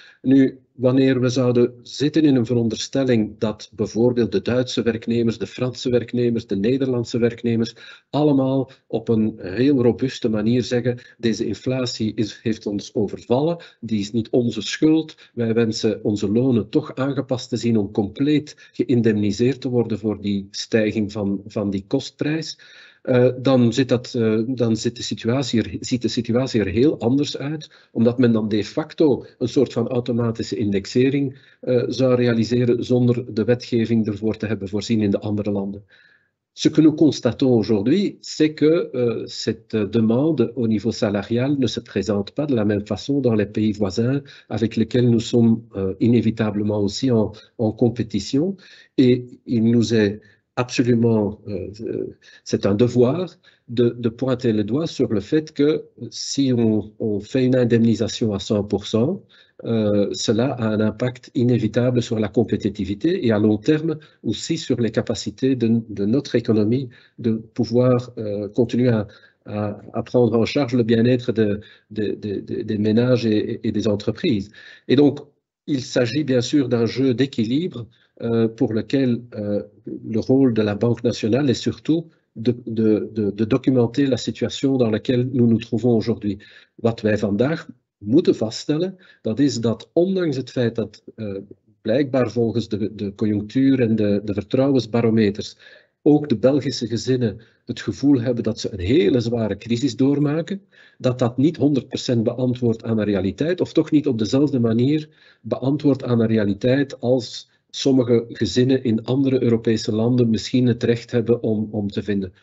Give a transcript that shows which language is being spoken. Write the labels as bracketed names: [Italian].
[Dutch] Nu, wanneer we zouden zitten in een veronderstelling dat bijvoorbeeld de Duitse werknemers, de Franse werknemers, de Nederlandse werknemers allemaal op een heel robuuste manier zeggen: deze inflatie heeft ons overvallen, die is niet onze schuld, wij wensen onze lonen toch aangepast te zien om compleet geïndemniseerd te worden voor die stijging van die kostprijs. Ziet de situatie er heel anders uit, omdat men dan de facto een soort van automatische indexering zou realiseren zonder de wetgeving ervoor te hebben voorzien in de andere landen. [French] Ce que nous constatons aujourd'hui, c'est que cette demande au niveau salarial ne se présente pas de la même façon dans les pays voisins avec lesquels nous sommes inévitablement aussi en compétition. Et il nous est absolument, c'est un devoir de pointer le doigt sur le fait que si on fait une indemnisation à 100%, cela a un impact inévitable sur la compétitivité et à long terme aussi sur les capacités de notre économie de pouvoir continuer à prendre en charge le bien-être des ménages et des entreprises. Et donc, il s'agit bien sûr d'un jeu d'équilibre pour lequel le rôle de la Banque nationale est surtout de documenter la situation dans laquelle nous nous trouvons aujourd'hui. [Dutch] Wat wij vandaag moeten vaststellen, dat is dat ondanks het feit dat blijkbaar volgens de conjunctuur en de vertrouwensbarometers ook de Belgische gezinnen het gevoel hebben dat ze een hele zware crisis doormaken, dat dat niet 100% beantwoord aan de realiteit, of toch niet op dezelfde manier beantwoord aan de realiteit als sommige gezinnen in andere Europese landen misschien het recht hebben om te vinden.